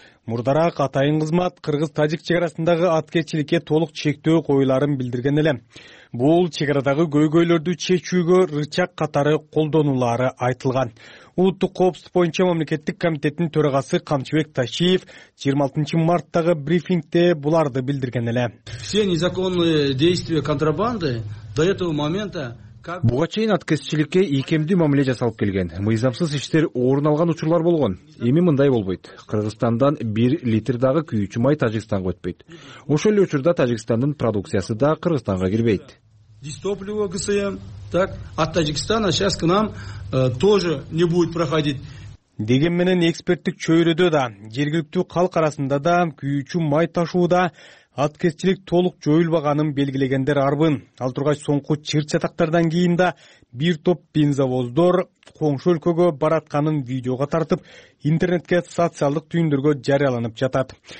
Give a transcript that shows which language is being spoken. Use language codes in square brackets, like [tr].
[ky] Мурдараак атайын кызмат кыргыз-тажик чек арасындагы аткерчиликке толук чектөө коюуларын билдирген эле. Бул чек арадагы көйгөйлөрдү чечүүгө рычаг катары колдонулары айтылган. Улуттук коопсуздук боюнча мамлекеттик комитеттин төрагасы Камчыбек Ташиев 26 марттагы брифингде буларды билдирген эле. [ru] Все незаконные действия контрабанды до этого момента. [ky] Буга чейин аткерчиликке ийкемдүү мамиле жасалып келген. Мыйзамсыз иштер орун алган учурлар болгон. Эми мындай болбойт. Кыргызстандан 1 литр дагы күйүүчү май Таджикстанга өтпөйт. Ошол эле учурда Таджикстандын продукциясы да Кыргызстанга кирбейт. [ru] Дистопливо КСМ, так, от Таджикстана сейчас к нам тоже не будет проходить. [ky] Деген менен эксперттик чөйрөдө да, жергиликтүү калк арасында да күйүүчү май ташууда аткерчилик толук жоюлбаганын белгилегендер арбын. Ал тургач соңку чыр чатактардан кийин да бир топ бензовоздор коңшу өлкөгө баратканын видеого тартып, интернетке социалдык түйүндөргө жарыяланып жатат.